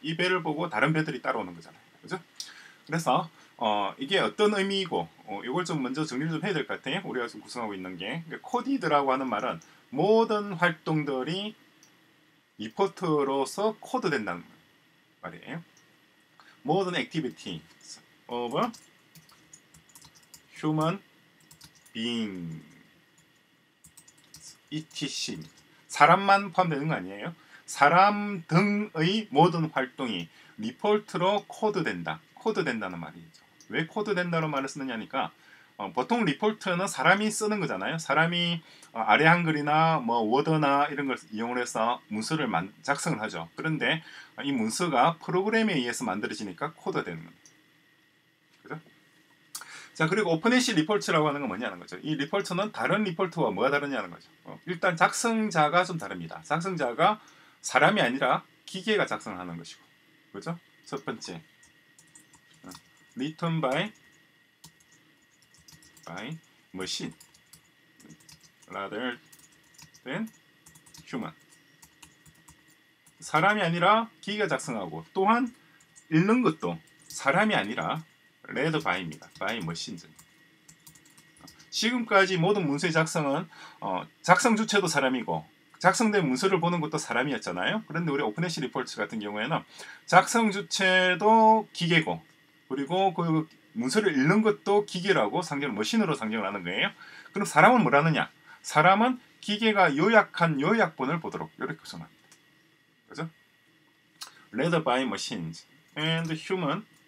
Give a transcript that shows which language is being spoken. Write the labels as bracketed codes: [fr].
[ko] 이 배를 보고 다른 배들이 따라오는 거잖아요. 그죠? 그래서 이게 어떤 의미이고 이걸 좀 먼저 정리를 좀 해야 될 것 같아요. 우리가 지금 구성하고 있는 게 코디드라고 하는 말은 모든 활동들이 리포트로서 코드된다는 말이에요. 모든 [en] 액티비티 of human being etc. [ko] 사람만 포함되는 거 아니에요. 사람 등의 모든 활동이 리포트로 코드된다. 코드된다는 말이죠. 왜 코드된다는 말을 쓰느냐니까 보통 리포트는 사람이 쓰는 거잖아요. 사람이 아래 한글이나 뭐 워드나 이런 걸 이용을 해서 문서를 작성을 하죠. 그런데 이 문서가 프로그램에 의해서 만들어지니까 코드가 되는 겁니다. 그죠? 자, 그리고 오픈AI 리포트라고 하는 건 뭐냐는 거죠. 이 리포트는 다른 리포트와 뭐가 다르냐는 거죠. 일단 작성자가 좀 다릅니다. 작성자가 사람이 아니라 기계가 작성을 하는 것이고. 그죠? 첫 번째. [en] written by machine rather than human. [ko] 사람이 아니라 기계가 작성하고 또한 읽는 것도 사람이 아니라 [en] read by [ko] 입니다. [en] by machines. [ko] 지금까지 모든 문서의 작성은 작성 주체도 사람이고 작성된 문서를 보는 것도 사람이었잖아요. 그런데 우리 OpenAI Reports 같은 경우에는 작성 주체도 기계고 그리고 그 문서를 읽는 것도 기계라고 상징을 머신으로 상징을 하는 거예요. 그럼 사람은 뭘 하느냐? 사람은 기계가 요약한 요약본을 보도록 이렇게 구성합니다. 그죠? [en] Read by machines and human.